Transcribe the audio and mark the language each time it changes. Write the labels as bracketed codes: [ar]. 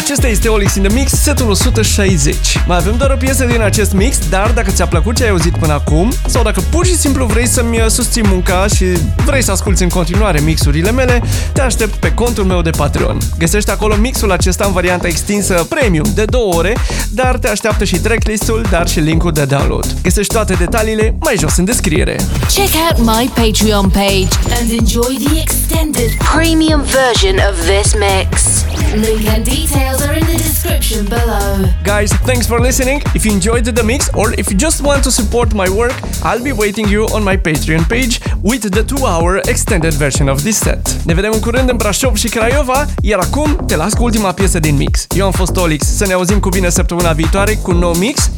[ro] este OLiX in the Mix, setul 160. Mai avem doar o piesă din acest mix, dar dacă ți-a plăcut ce ai auzit până acum, sau dacă pur și simplu vrei să-mi susții munca și vrei să asculti în continuare mixurile mele, te aștept pe contul meu de Patreon. Găsești acolo mixul acesta în varianta extinsă premium de 2 ore, dar te așteaptă și tracklist-ul, dar și linkul de download. Găsești toate detaliile mai jos în descriere. [en] Check out my Patreon page and enjoy the extended premium version of this mix. Link and details are in the description below. Guys, thanks for listening. If you enjoyed the mix or if you just want to support my work, I'll be waiting you on my Patreon page with the 2-hour extended version of this set. [ro] Ne vedem în curând în Brașov și Craiova, iar acum te las cu ultima piesă din mix. Eu am fost OLiX. Să ne auzim cu bine săptămâna viitoare cu un nou mix.